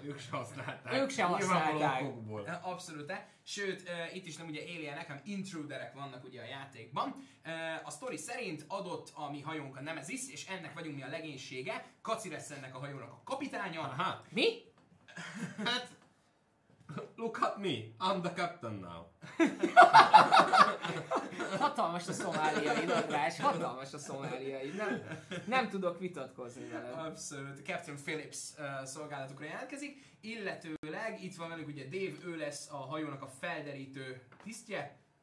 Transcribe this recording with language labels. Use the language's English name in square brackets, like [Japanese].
[Hungarian] Ők se használták. Ők se használták. Abszolút. Sőt, itt is nem ugye Alienek, hanem intruderek vannak ugye a játékban. A sztori szerint adott a mi hajónk a Nemesis, és ennek vagyunk mi a legénysége. Kaci lesz ennek a hajónak a kapitánya. Aha. Mi? Hát... [English] look at me, I'm the captain now. [Hungarian] Hatalmas a szomáliai nagyás, hatalmas a szomáliai. Nem tudok vitatkozni vele. Abszolút. Captain Phillips szolgálatukra jelentkezik. Illetőleg itt van velük ugye Dave, ő lesz a hajónak a felderítő tisztje.